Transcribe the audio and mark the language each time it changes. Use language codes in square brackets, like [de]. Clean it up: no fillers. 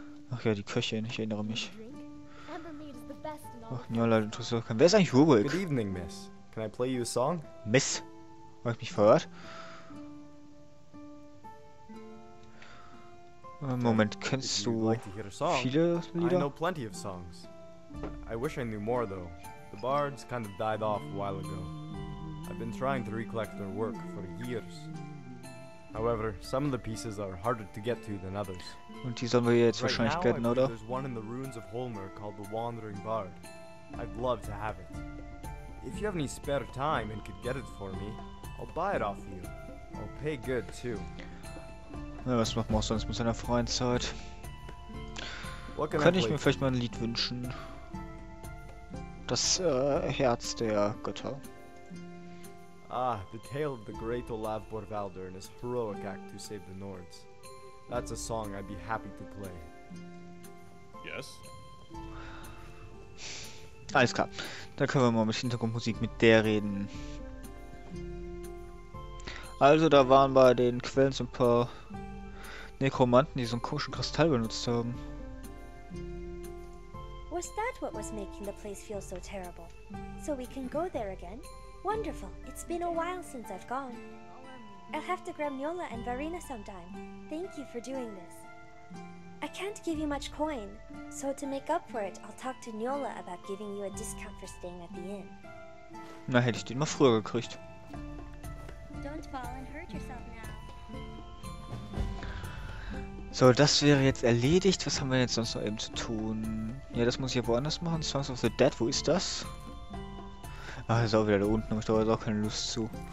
[de] Ach ja, die Köchin, ich erinnere mich. Ach, ja, Leute, interessiert euch. Wer ist eigentlich Rubik? [en] Good evening, Miss. Can I play you a song? [de] Miss? Habe ich mich verhört? Moment, kennst du viele Lieder? [en] I know plenty of songs. I wish I knew more, though. The bards kind of died off a while ago. I've been trying to recollect their work for years. However, some of the pieces are harder to get to than others. [de] Und die sollen wir jetzt wahrscheinlich [en] right [de] getten, oder? [en] There's one in the ruins of Holmer called the Wandering Bard. I'd love to have it. If you have any spare time and could get it for me, I'll buy it off you. I'll pay good too. [de] Na, was macht man sonst mit seiner freien Zeit? Könnte ich mir vielleicht mal ein Lied wünschen? Das Herz der Götter. [en] Ah, the tale of the great Olav Borvaldur and his heroic act to save the Nords. That's a song I'd be happy to play. Yes? [de] Alles klar. Da können wir mal mit Hintergrundmusik mit der reden. Also, da waren bei den Quellen so ein paar Nekromanten, die so einen komischen Kristall benutzt haben. [en] Was that what was making the place feel so terrible? So we can go there again? Wonderful. It's been a while since I've gone. I'll have to grab Njola and Varina sometime. Thank you for doing this. I can't give you much coin, so to make up for it, I'll talk to Njola about giving you a discount for staying at the inn. [de] Na, hätte ich den mal früher gekriegt. [en] Don't fall and hurt yourself now. [de] So, das wäre jetzt erledigt. Was haben wir jetzt sonst noch eben zu tun? Ja, das muss ich ja woanders machen. Songs of the Dead, wo ist das? Ach, ist auch wieder da unten, aber ich glaube, da ist auch keine Lust zu.